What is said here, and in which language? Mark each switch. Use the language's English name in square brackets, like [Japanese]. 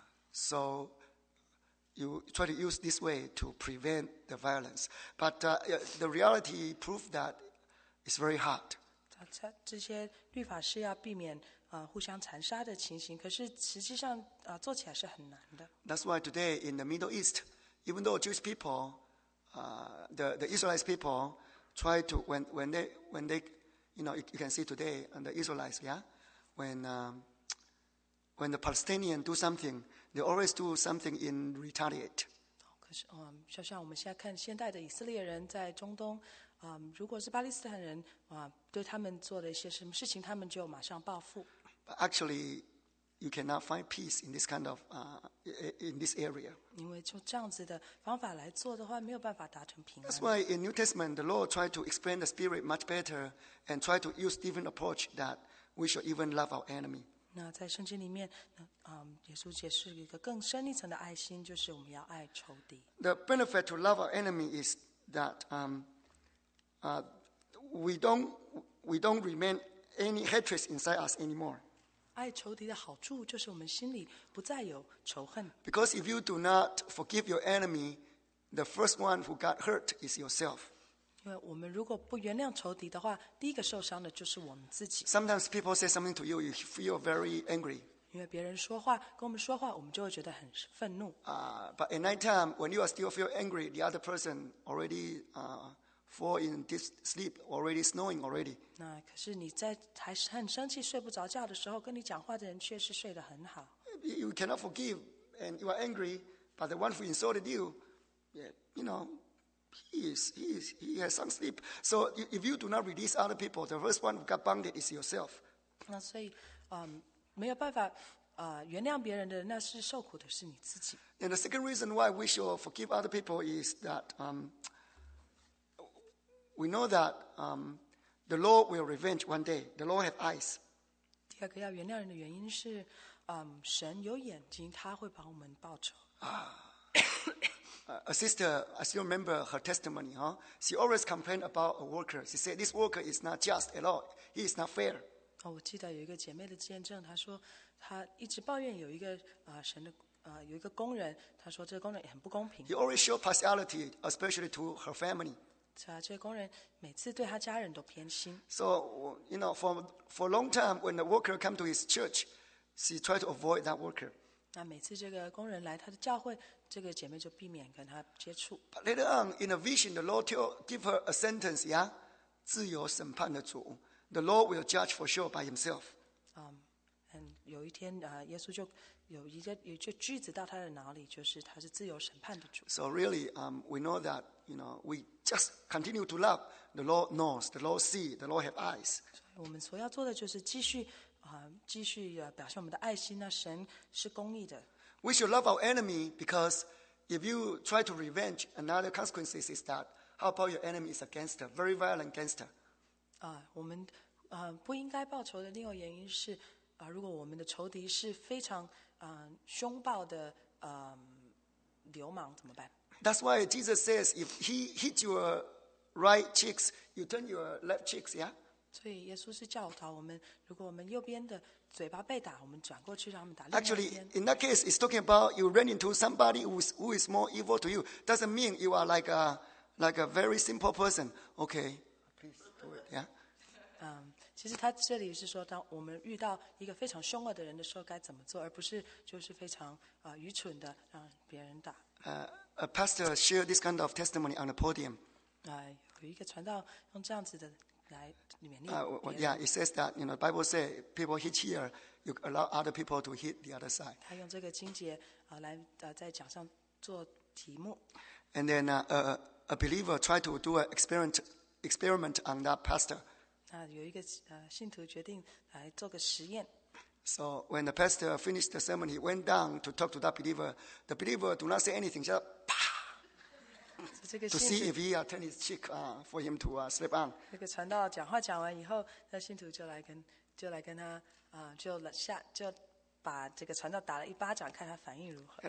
[English] So you try to use this way to prevent the violence, but the reality proved that it's very hard. [Chinese] 这些律法是要避免。互相残杀的情形，可是实际上做起来是很难的。 [English] That's why today in the Middle East, even though Jewish people, the Israelite people try to when they you know you can see today and the Israelites yeah when the Palestinian do something, they always do something in retaliate. [Chinese] 可是就像我们现在看现代的以色列人在中东。如果是巴勒斯坦人对他们做了一些什么事情，他们就马上报复。 [English] But actually, you cannot find peace in this kind of in this area. [Chinese] 因为就这样子的方法来做的话，没有办法达成平安。 [English] That's why in New Testament, the Lord tried to explain the spirit much better and tried to use different approach that we should even love our enemy. [Chinese] 那在圣经里面，耶稣解释一个更深一层的爱心，就是我们要爱仇敌。 [English] The benefit to love our enemy is that we don't remain any hatred inside us anymore. [Chinese] 爱仇敌的好处就是我们心里不再有仇恨。 [English] Because if you do not forgive your enemy, the first one who got hurt is yourself. [Chinese] 因为我们如果不原谅仇敌的话，第一个受伤的就是我们自己。 [English] Sometimes people say something to you, you feel very angry. [Chinese] 因为别人说话跟我们说话，我们就会觉得很愤怒。 [English] But at night time, when you are still feel angry, the other person already fall in deep sleep, already snoring already. [Chinese] 那可是你在还是很生气睡不着觉的时候，跟你讲话的人确实睡得很好。 [English] You cannot forgive, and you are angry, but the one who insulted you, you know, he has some sleep. So if you do not release other people, the first one who got bonded is yourself. [Chinese] 那所以，没有办法，原谅别人的那是受苦的是你自己。 [English] And the second reason why we should forgive other people is that we know that the Lord will revenge one day. The Lord has eyes. [Chinese] 第二个要原谅人的原因是，神有眼睛，他会帮我们报仇。 [English] A sister, I still remember her testimony. Huh? She always complained about a worker. She said, "This worker is not just at all. He is not fair." [Chinese] 我记得有一个姐妹的见证，她说她一直抱怨有一个神的有一个工人，她说这个工人也很不公平。 [English] He always showed partiality, especially to her family. [Chinese] 这些工人每次对他家人都偏心。 [English] So, you know, for a long time, when the worker come to his church, she tried to avoid that worker. [Chinese] 那每次这个工人来他的教会，这个姐妹就避免跟他接触。 [English] But later on, in a vision, the Lord give her a sentence, yeah? [Chinese] 自由审判的主。 [English] The Lord will judge for sure by himself. [Chinese] And 有一天，耶稣就有一个句子到他的脑里，就是他是自由审判的主。 [English] So really, we know that, you know, we just continue to love. The Lord knows, the Lord sees, the Lord has eyes. [Chinese] 我们所要做的就是继续表现我们的爱心。那神是公义的。 [English] We should love our enemy because if you try to revenge, another consequence is that how about your enemy is a gangster, very violent gangster. [Chinese] 我们不应该报仇的另外原因是。如果我们的仇敌是非常凶暴的流氓怎么办？ [English] That's why Jesus says if he hits your right cheeks, you turn your left cheeks, yeah? [Chinese] 所以耶稣是教导我们，如果我们右边的嘴巴被打，我们转过去让他们打另一边。 [English] Actually, in that case, it's talking about you run into somebody who is more evil to you. Doesn't mean you are like a very simple person. Okay, please do it, yeah? [Chinese] 其实他这里是说，当我们遇到一个非常凶恶的人的时候，该怎么做，而不是就是非常愚蠢的让别人打。 [English] A pastor share this kind of testimony on the podium. [Chinese] 有一个传道用这样子的来勉励。 [English] Yeah, it says that, you know, Bible say people hit here, you allow other people to hit the other side. [Chinese] 他用这个经节来在讲上做题目。 [English] And then a believer try to do an experiment on that pastor. [Chinese] 有一个信徒决定来做个实验。 [English] So when the pastor finished the sermon, he went down to talk to that believer. The believer do not say anything, just pa, to see if he turn his cheek for him to slip on. [Chinese] 这个传道讲话讲完以后，那信徒就来跟他就把这个传道打了一巴掌，看他反应如何。